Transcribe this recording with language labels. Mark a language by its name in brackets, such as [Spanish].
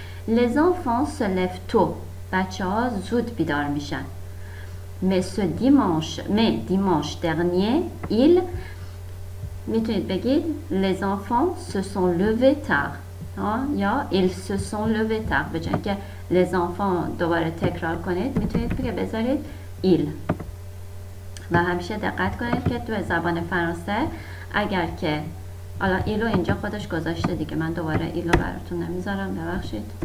[French] Les enfants se lèvent tôt، [Persian] بچه ها زود بیدار میشن. [French] Mais dimanche dernier ils، [Persian] میتونید بگید [French] les enfants se sont levés tard، یا ils se sont levés tard. [Persian] به جای که [French] les enfants [Persian] دوباره تکرار کنید میتونید بذارید ils، و همیشه دقت کنید که تو زبان فرانسه اگر که الان ایلو اینجا خودش گذاشته دیگه، من دوباره ایلو براتون نمیذارم، ببخشید.